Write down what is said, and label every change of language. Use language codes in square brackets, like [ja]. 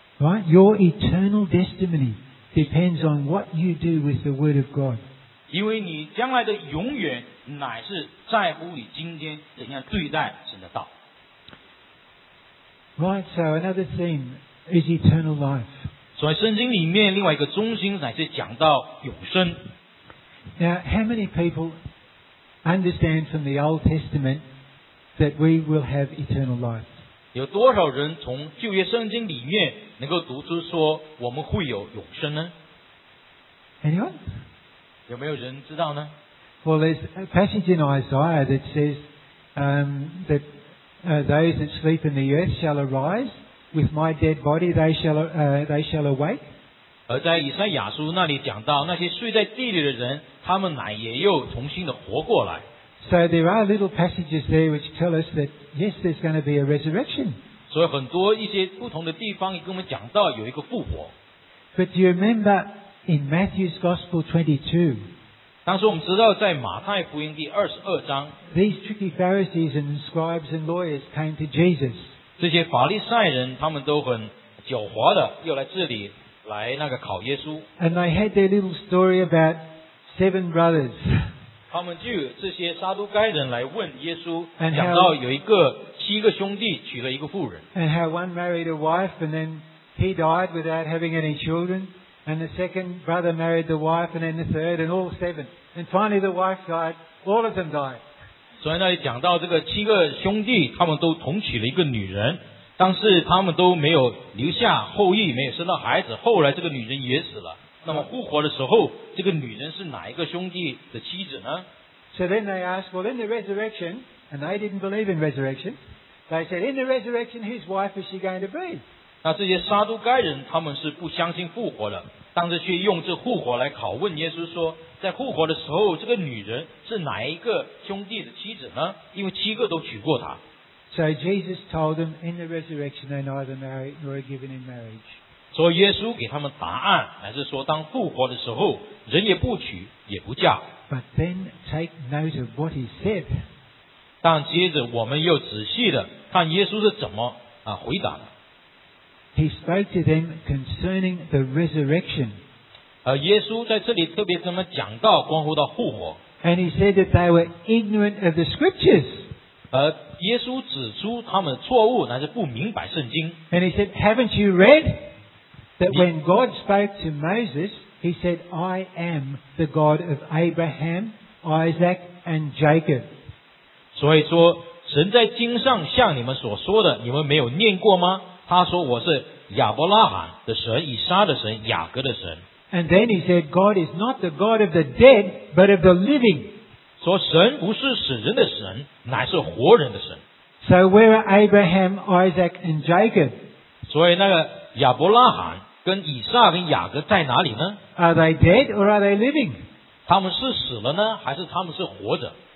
[en] Right? Your eternal destiny depends on what you do with the word of God. [zh] 因为你将来的永远乃是在乎你今天怎样对待神的道。 [en] Right, so another theme is eternal life. [zh] 所以圣经里面另外一个中心乃是讲到永生。 [en] Now, how many people... understand from the Old Testament that we will have eternal life. [zh] 有多少人从旧约圣经里面能够读出说我们会有永生呢？ [en] Anyone? [zh] 有没有人知道呢？ [en] Well, there's a passage in Isaiah that says that those that sleep in the earth shall arise with my dead body, they shall awake. [zh] 而在以赛亚书那里讲到那些睡在地里的人他们乃也又重新的活过来。 [en] So there are little passages there which tell us that yes, there's going to be a resurrection. [zh] 所以很多一些不同的地方也跟我们讲到有一个复活。 [en] But do you remember in Matthew's Gospel 22? [zh] 当时我们知道在马太福音第22章 [en] These tricky Pharisees and scribes and lawyers came to Jesus. [zh] 这些法利赛人他们都很狡猾的又来这里 [en] And they had their little story about seven brothers. [zh] 他们就这些撒都该人来问耶稣，讲到有一个七个兄弟娶了一个妇人。 [en] And how one married a wife and then he died without having any children. And the second brother married the wife and then the third and all seven. And finally the wife died. All of them died. [zh] 所以那里讲到这个七个兄弟，他们都同娶了一个女人。但是他们都没有留下后裔，没有生到孩子。后来这个女人也死了。那么复活的时候，这个女人是哪一个兄弟的妻子呢？ [en] So then they asked, well, in the resurrection, and they didn't believe in resurrection. They said, in the resurrection, whose wife is she going to be? [zh] 那这些撒都该人他们是不相信复活的，但是却用这复活来拷问耶稣说，在复活的时候，这个女人是哪一个兄弟的妻子呢？因为七个都娶过她。 [en] So Jesus told them in the resurrection they neither marry nor are given in marriage. [zh] 所以耶稣给他们答案乃是说当复活的时候人也不娶也不嫁。 [en] But then take note of what he said. [zh] 但接着我们又仔细的看耶稣是怎么回答的。 [en] He spoke to them concerning the resurrection. [zh] 耶稣在这里特别跟他们讲到关乎到复活。 [en] And he said that they were ignorant of the scriptures. [zh] 而耶稣指出他们错误乃是不明白圣经。 [en] And he said, haven't you read that when God spoke to Moses, he said, I am the God of Abraham, Isaac, and Jacob. [zh] 所以说神在经上像你们所说的你们没有念过吗？他说我是亚伯拉罕的神以撒的神雅各的神。 [en] And then he said, God is not the God of the dead, but of the living. [zh] 说神不是死人的神乃是活人的神。 [en] So where are Abraham, Isaac and Jacob? [zh] 所以那个亚伯拉罕跟以撒跟雅各在哪里呢？ [en] Are they dead or are they living? [zh] 他们是死了呢还是他们是活着？